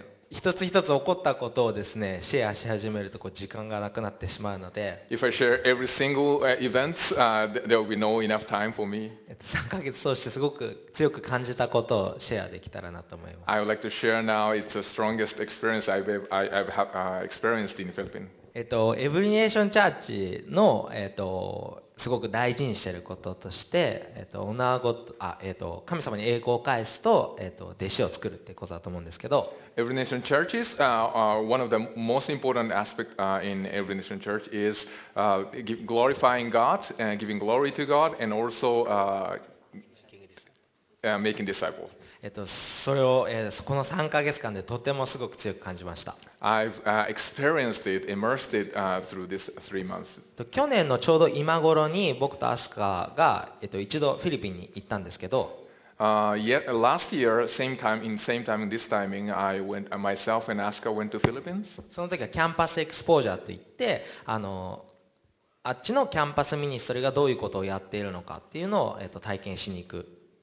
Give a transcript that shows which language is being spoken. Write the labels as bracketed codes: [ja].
[ja] 一つ一つ起こったことをですね、シェアし始めるとこう時間がなくなってしまうので、 [en] If I share every single event, there will be no enough time for me. [ja] 3ヶ月通してすごく強く感じたことをシェアできたらなと思います。 [en] I would like to share now. It's the strongest experience I've experienced in Philippines. [ja] エブリネーションチャーチの、すごく大事にしていることとして、神様に栄光を返す と,、弟子を作るということだと思うんですけど、 [en] エブリネーションチャーチ is one of the most important aspects in every nation church is glorifying God and giving glory to God and also making disciples. [ja] それを、この3ヶ月間でとてもすごく強く感じました。 [en] I've experienced it, immersed it, through this three months. [ja] 去年のちょうど今頃に僕とアスカが、一度フィリピンに行ったんですけど、 [en] last year, same time, in same time, this timing, I went, myself and Asuka went to Philippines. [ja] その時はキャンパスエクスポージャーといって、あっちのキャンパスミニストリーがどういうことをやっているのかっていうのを、体験しに行く。